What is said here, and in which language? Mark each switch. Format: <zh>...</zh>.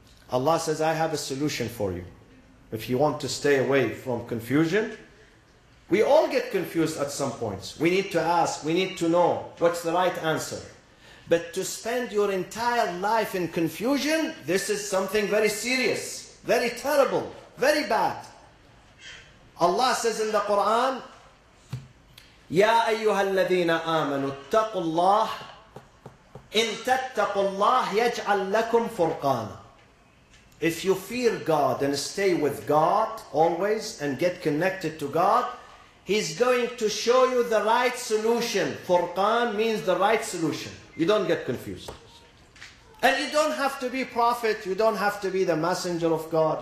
<en>Allah says, I have a solution for you. If you want to stay away from confusion, we all get confused at some points. We need to ask, we need to know what's the right answer. But to spend your entire life in confusion, this is something very serious, very terrible, very bad. Allah says in the Quran,</en> <ar>يَا أَيُّهَا الَّذِينَ آمَنُوا اتَّقُوا اللَّهِ إِن تَتَّقُوا اللَّهِ يَجْعَلْ لَكُمْ فُرْقَانًا.</ar> <en>If you fear God and stay with God always and get connected to God, He's going to show you the right solution. Furqan means the right solution. You don't get confused. And you don't have to be prophet. You don't have to be the messenger of God.</en>